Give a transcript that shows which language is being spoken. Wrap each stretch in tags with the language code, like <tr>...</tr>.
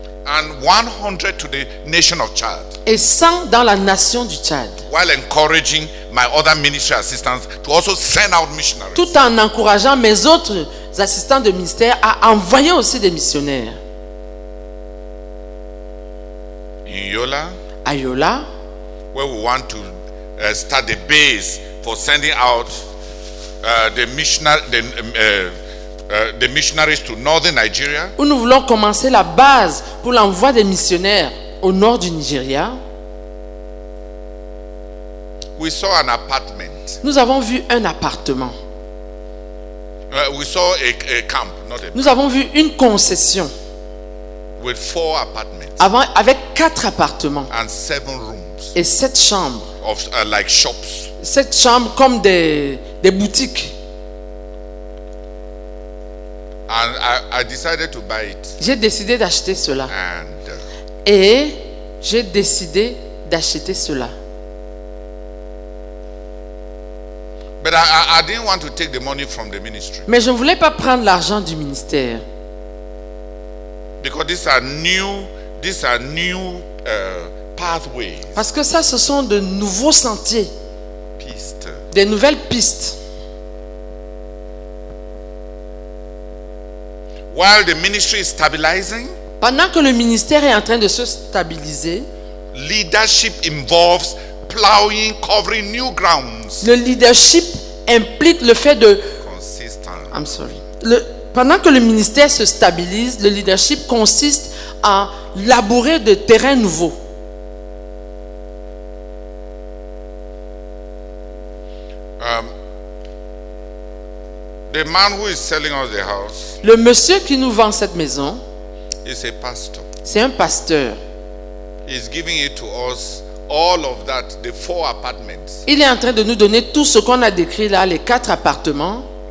<en>And 100 to the nation of Chad.</en> <fr>Et 100 dans la nation du Tchad.</fr> <en>While encouraging my other ministry assistants to also send out missionaries.</en> <fr>Tout en encourageant mes autres assistants de ministère à envoyer aussi des missionnaires.</fr> <en>In Yola.</en> <fr>À Yola.</fr> <en>Where we want to start the base for sending out the missionaries to northern Nigeria.</en> <fr>Où nous voulons commencer la base pour l'envoi des missionnaires au nord du Nigeria.</fr> <en>We saw an apartment.</en> <fr>Nous avons vu un appartement.</fr> <en>We saw a camp, not a.</en> <fr>Nous avons vu une concession.</fr> <en>With four apartments.</en> <fr>Avec 4 appartements.</fr> <en>And 7 rooms.</en> <fr>Et 7 chambres.</fr> <en>Of like shops.</en> <fr>7 chambres comme des boutiques.</fr> <en>And I decided to buy it.</en> <fr>J'ai décidé d'acheter cela.</fr> <en>And,</en> <fr>et j'ai décidé d'acheter cela.</fr> <en>But I didn't want to take the money from the ministry.</en> <fr>Mais je ne voulais pas prendre l'argent du ministère.</fr> <en>Because these are new pathways.</en> <fr>Parce que ça, ce sont de nouveaux sentiers. Pistes. Des nouvelles pistes.</fr> <en>While the ministry is stabilizing,</en> <fr>pendant que le ministère est en train de se stabiliser,</fr> <en>leadership involves plowing, covering new grounds.</en> <fr>Le leadership implique le fait de...</fr> <en>Consistent. I'm sorry.</en> <fr>Pendant que le ministère se stabilise, le leadership consiste à labourer de terrains nouveaux.</fr> <en>The man who is selling us the house,</en> <fr>le monsieur qui nous vend cette maison,</fr> <en>is a pastor.</en> <fr>C'est un pasteur.</fr> <en>He's giving it to us, all of that, the four apartments.</en> <fr>Il est en train de nous donner tout ce qu'on a décrit là, les quatre appartements.</fr>